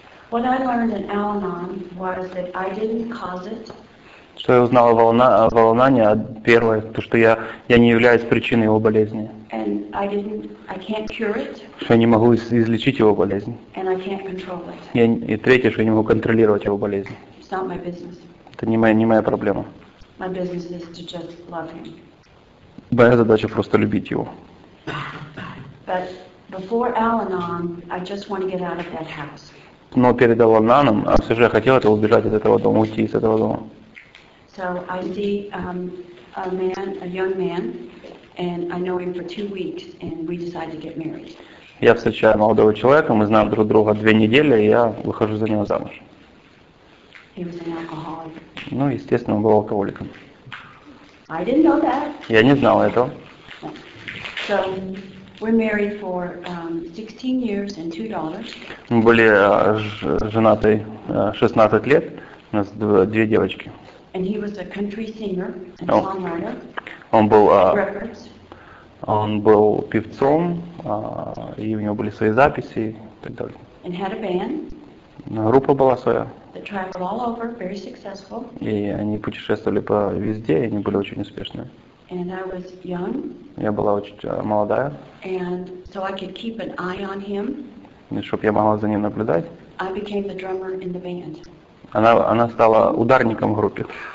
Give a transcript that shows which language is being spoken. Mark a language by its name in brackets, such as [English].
[English] What I learned in Al-Anon was that I didn't cause it. [Russian] Что я узнала в Al-Anon, первое, то, что я не являюсь причиной его болезни. [English] And I can't cure it. [Russian] Что я не могу излечить его болезнь. [English] And I can't control it. [Russian] И третье, что я не могу контролировать его болезнь. [English] It's not my business. [Russian] Это не моя проблема. [English] My business is to just love him. [Russian] Моя задача просто любить его. [English] But before Al-Anon, I just want to get out of that house. [Russian] Но перед Аланом, а все же я хотел это убежать из этого дома, уйти из этого дома. [English] So I see a man, a young man, and I know him for 2 weeks, and we decide to get married. [Russian] Я встречаю молодого человека, мы знаем друг друга 2 недели, и я выхожу за него замуж. [English] He was an alcoholic. [Russian] Ну, естественно, он был алкоголиком. [English] I didn't know that. [Russian] Я не знал этого. [English] So we're married for 16 years and $2. [Russian] Мы были женаты 16 лет, у нас две девочки. [English] And he was a country singer and songwriter. [Russian] Он был певцом, и у него были свои записи, так далее. [English] And had a band. [Russian] Группа была своя. [English] They traveled all over, very successful. [Russian] И они путешествовали по везде, и они были очень успешны. [English] And I was young. [Russian] Я была очень молодая. [English] And so I could keep an eye on him. [Russian] И чтобы я могла за ним наблюдать. [English] I became the drummer in the band. [Russian] Она стала ударником в группе.